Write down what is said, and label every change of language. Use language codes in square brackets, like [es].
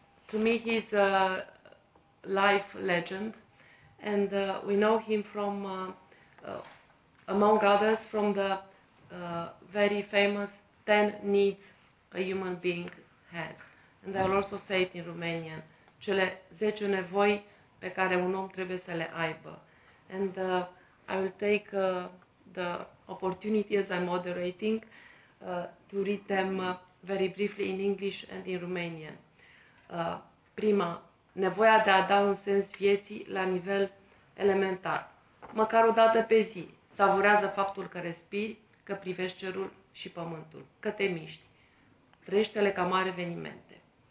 [en] To me, he's a life legend, and we know him from among others from the very famous 10 needs a human being has. And I will also say it in Romanian, [ro] cele 10 nevoi pe care un om trebuie să le aibă. [en] And I will take the opportunity as I'm moderating to read them very briefly in English and in Romanian. [ro] Prima, nevoia de a da un sens vieții la nivel elementar. Măcar o dată pe zi, savurează faptul că respiri, că privești cerul și pământul, că te miști. Trăiește-le ca mari evenimente.